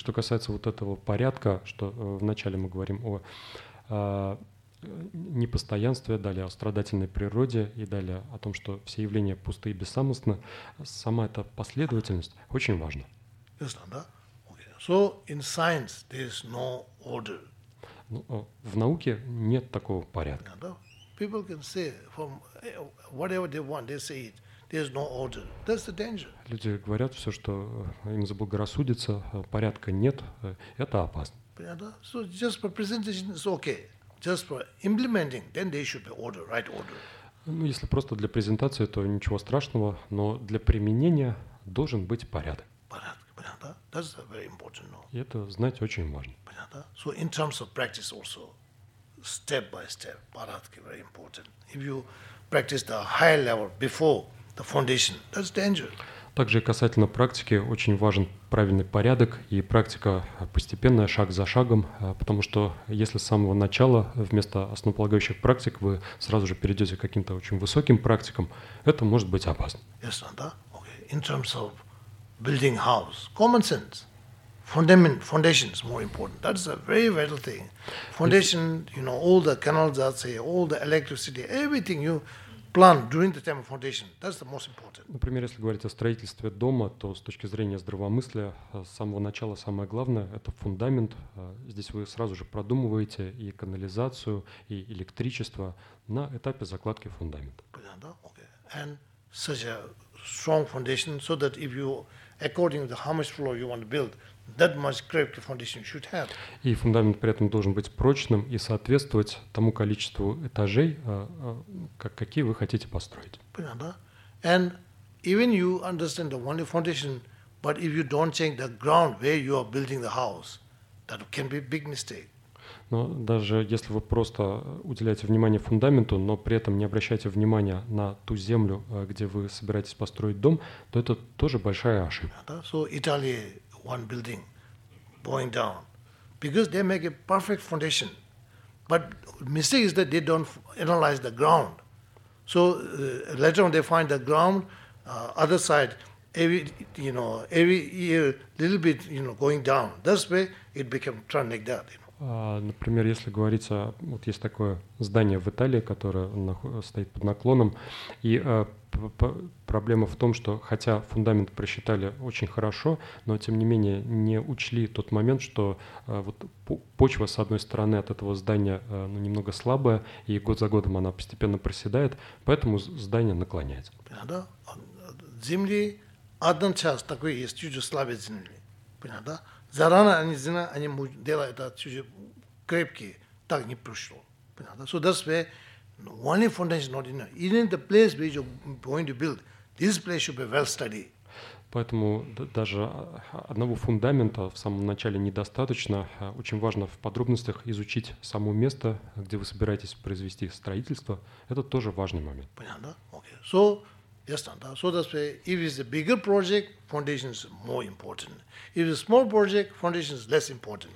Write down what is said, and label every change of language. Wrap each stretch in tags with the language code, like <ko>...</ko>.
<ru>Так что касается вот этого порядка, что вначале мы говорим о непостоянстве, далее о страдательной природе и далее о том, что все явления пусты и бессамостны, сама эта последовательность очень важна. Ясно, да?</ru> <en>Okay. So in science there is no order.</en> <ru>Ну, в науке нет такого порядка.</ru> <en>Yeah,</en> <ru>да?</ru> <en>People can say from whatever they want, they say it. There's no order. That's the danger.</en> <ru>Люди говорят все, что им заблагорассудится, порядка нет, это опасно. Понятно?</ru> <en>So just for presentation is okay. Just for implementing, then there should be order, right order.</en> <ru>Ну, если просто для презентации, то ничего страшного, но для применения должен быть порядок. Порядок, понятно?</ru> <en>That's very important. No?</en> <ru>И это знать очень важно. Понятно?</ru> <en>So in terms of practice also, step by step,</en> <ru>порядки</ru> <en>very important. If you practice the higher level before the foundation, that's danger.</en> <ru>Также касательно практики очень важен правильный порядок и практика постепенная, шаг за шагом, потому что если с самого начала вместо основополагающих практик вы сразу же перейдете к каким-то очень высоким практикам, это может быть опасно. Ясно, да?</ru> <en>Okay. In terms of building house, common sense, fundament, foundation is more important. That is a very vital thing. Foundation, you know, all the canalization, all the electricity, everything you plan during the time of foundation. That's the most important.</en> <ru>Например, если говорить о строительстве дома, то с точки зрения здравомыслия с самого начала самое главное — это фундамент. Здесь вы сразу же продумываете и канализацию, и электричество на этапе закладки фундамента. Понятно, да? Okay.</ru> <en>And such a strong foundation, so that if you, according to how much floor you want to build, that much crepe foundation should have.</en> <ru>И фундамент при этом должен быть прочным и соответствовать тому количеству этажей, какие вы хотите построить. Понятно, да?</ru> <en>And even you understand the only foundation, but if you don't change the ground where you are building the house, that can be a big mistake.</en> <ru>Но даже если вы просто уделяете внимание фундаменту, но при этом не обращаете внимания на ту землю, где вы собираетесь построить дом, то это тоже большая ошибка. Понятно, да?</ru> <en>So Italy one building going down because they make a perfect foundation, but mistake is that they don't analyze the ground, so later on they find the ground other side every year little bit going down, that's way it become turn like that, you know.</en> <ru>Например, если говорить, вот есть такое здание в Италии, которое стоит под наклоном, и проблема в том, что хотя фундамент просчитали очень хорошо, но тем не менее не учли тот момент, что вот почва с одной стороны от этого здания немного слабая, и год за годом она постепенно проседает, поэтому здание наклоняется. Да, земли один час такой есть, чуть-чуть слабее земли, понятно, да? Зарано они знают, они делают это чуть-чуть крепкие, так не пришло. Понятно?</ru> <en>So that's where only foundation is not enough. Even the place where you're going to build, this place should be well studied.</en> <ru>Поэтому даже одного фундамента в самом начале недостаточно. Очень важно в подробностях изучить само место, где вы собираетесь произвести строительство. Это тоже важный момент. Понятно?</ru> <en>Okay. So, yes,</en> <ru>да.</ru> <en>So that's why if it's a bigger project, foundation is more important. If it's a small project, foundation is less important.</en>